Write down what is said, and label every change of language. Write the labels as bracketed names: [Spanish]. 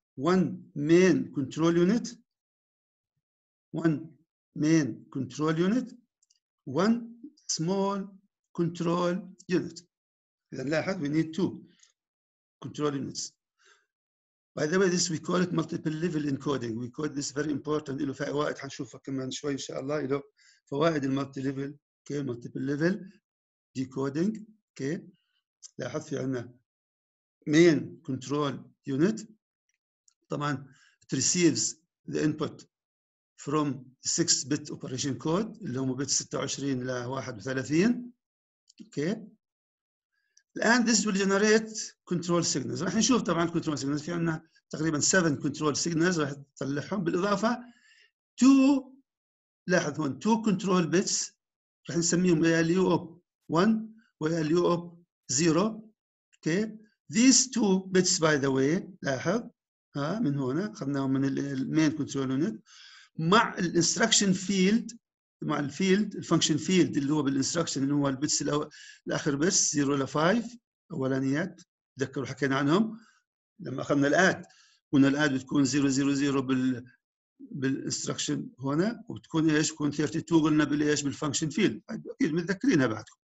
[English] One main control unit. One main control unit. One small control unit. [Arabic] إذا لاحظ [English] we need 2 control units. By the way, this we call it multiple level encoding. We call this very important. [Arabic] إله فوائد حنشوفها كمان شوي إن شاء الله. إله فوائد المالتي ليفل، okay, [English] multiple level decoding. [Arabic] Okay. لاحظ في عنا main control unit. [English] طبعا it receives the input from 6 bit operation code [Arabic] اللي هم بيت 26 ل 31. [English] Okay الان this will generate control signals. [Arabic] راح نشوف طبعا control signals في عندنا تقريبا 7 control signals راح تطلعهم، بالاضافه 2 لاحظ هون 2 control bits راح نسميهم ALU up 1 و ALU up 0. اوكي [English] these 2 bits by the way [Arabic] لاحظ ها من هنا اخذناهم من المين كنترول يونت مع الانستركشن فيلد، مع الفيلد الفانكشن فيلد اللي هو بالانستركشن اللي هو البتس الاخر بس 0 ل 5 اولانيات، تذكروا حكينا عنهم لما اخذنا الاد، قلنا الاد بتكون 0 0 0 بالانستركشن هنا، وبتكون ايش؟ بتكون 32 قلنا بالايش؟ بالفانكشن فيلد، اكيد متذكرينها بعدكم.